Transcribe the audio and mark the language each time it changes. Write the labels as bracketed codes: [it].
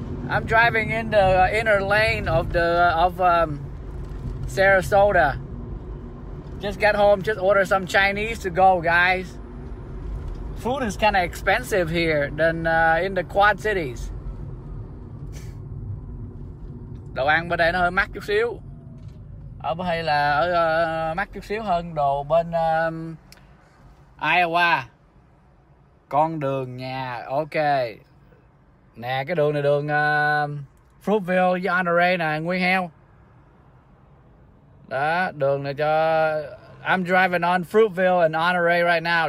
[en] I'm driving in the inner lane of the Sarasota. Just got home, just ordered some Chinese to go, guys. Food is kind of expensive here than in the Quad Cities. [vi] Đồ ăn bên đây nó hơi mắc chút xíu. Ở hay là ở mắc chút xíu hơn đồ bên Iowa. Con đường nhà, ok. Nè, cái đường này đường Fruitville với Honore nè, nguyên heo. Đó, đường này cho... [en] I'm driving on Fruitville and Honore right now.